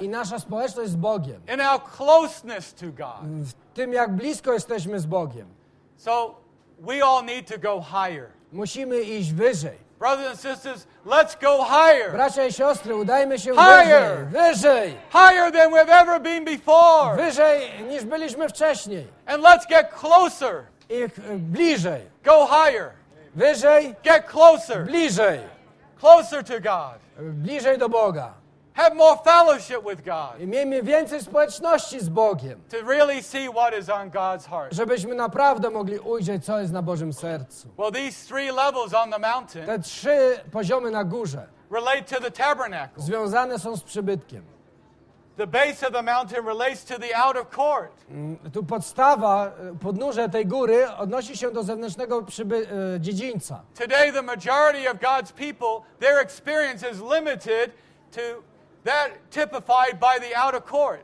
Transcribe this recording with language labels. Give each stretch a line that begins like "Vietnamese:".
Polish: I nasza społeczność z Bogiem.
English: In our closeness to God.
Polish: W tym, jak blisko jesteśmy z Bogiem.
English: So we all need to go higher.
Polish: Musimy iść wyżej.
English: Brothers and sisters, let's go higher.
Polish: Bracia i siostry, udajmy się
English: higher.
Polish: Wyżej.
English: Higher than we've ever been before.
Polish: Wyżej niż byliśmy wcześniej.
English: And let's get closer.
Polish: I bliżej.
English: Go higher.
Polish: Wyżej.
English: Get closer.
Polish: Bliżej.
English: Closer to God.
Polish: Bliżej do Boga.
English: Have more fellowship with God.
Polish: I miejmy więcej społeczności z Bogiem.
English: To really see what is on God's heart.
Polish: Żebyśmy naprawdę mogli ujrzeć, co jest na Bożym sercu.
English: Well, these three levels on the mountain,
Polish: te trzy poziomy na górze,
English: relate to the tabernacle.
Polish: Związane są z przybytkiem.
English: The base of the mountain relates to the outer court.
Polish: Tu podstawa, podnóże tej góry odnosi się do zewnętrznego dziedzińca.
English: Today the majority of God's people, their experience is limited to that typified by the outer court.